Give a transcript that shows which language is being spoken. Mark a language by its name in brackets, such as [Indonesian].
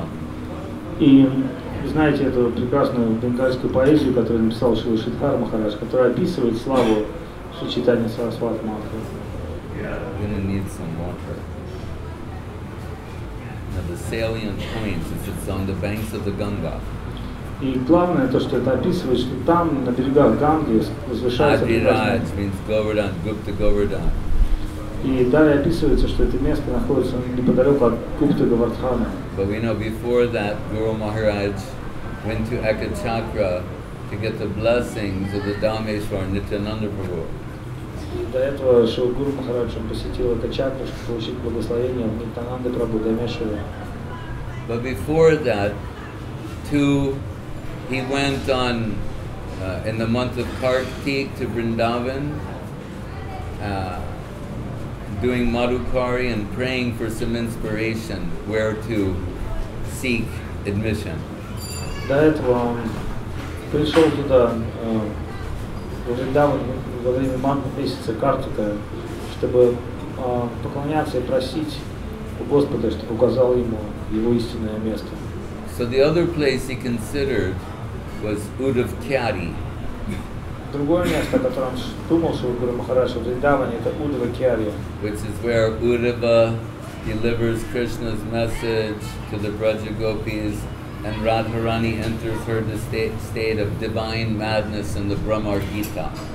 [English] And you know this beautiful bengalski poetry that wrote Shri Siddhar Maharaj, which describes the glory of Sri Chaitanya Saraswat Mat. I'm going to need some water. Now the salient point is it's on the banks of the Ganga. [Russian] И главное то, что это описывает, что там на берегах Ганги возвышается. [English] Gupta Govardhan. [Russian] И далее описывается, что это место находится неподалеку от Гупты Говардхана. [English] But we know before that Guru Maharaj went to Ekachakra to get the blessings of the Dhameshwar Nityananda Prabhu. [Russian] До этого Шрила Гуру Махарадж посетил Экачакру, чтобы получить благословение от Нитянанды Прабху Дамешвара. [English] But before that, he went on in the month of Kartik to Vrindavan, doing Madhukari and praying for some inspiration where to seek admission. [Russian] До этого он пришел туда, в Вриндаван, во время манта месяца Картика, чтобы поклоняться и просить у Господа, чтобы указал ему его истинное место. [English] So the other place he considered was Udhavkyari. [Russian] Другое место, о котором думал Шрила Гуру Махарадж в Вриндаване, это Удхавкьяри. [English] Which is where Uddhava delivers Krishna's message to the Braja Gopis, and Radharani enters her state of divine madness in the Brahmar Gita.